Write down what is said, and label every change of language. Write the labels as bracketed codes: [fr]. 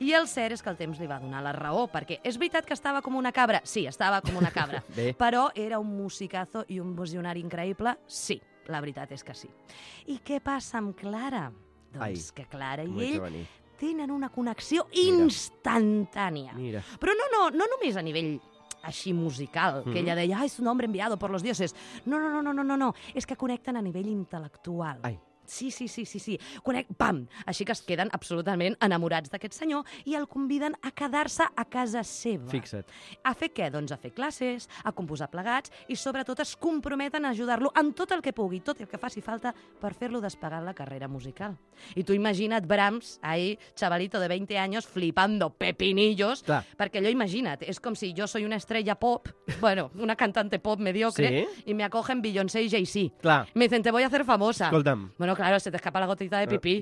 [ca] I el cert és que el temps li va donar la raó, perquè és veritat que estava com una cabra. Sí, estava com una cabra. Però era un musicazo i un visionari increïble. Sí, la veritat és que sí. I què passa amb Clara? Doncs ai, que Clara i ell tenen una connexió instantània. Mira. Però no només a nivell... així musical, que ella deia [es] «Ah, es un hombre enviado por los dioses». [ca] No. És que connecten a nivell intel·lectual. Ai. Sí. Pam! Així que es queden absolutament enamorats d'aquest senyor i el conviden a quedar-se a casa seva. Fixa't. A fer què? Doncs a fer classes, a composar plegats i sobretot es comprometen a ajudar-lo amb tot el que pugui, tot el que faci falta per fer-lo despegar la carrera musical. I tu imagina't Brahms, [es] ahí, chavalito [ca] de 20 anys, [es] flipando pepinillos. [ca] Clar. Perquè allò, imagina't, és com si jo [es] soy una estrella pop, bueno, una cantante pop mediocre, [ca] sí? [es] I me acogen Beyoncé i Jay-Z. [ca] Clar. [es] Me dicen, te voy a hacer famosa. [ca] Escolta'm. [es] Bueno, claro, se te escapa la gotita de pipí.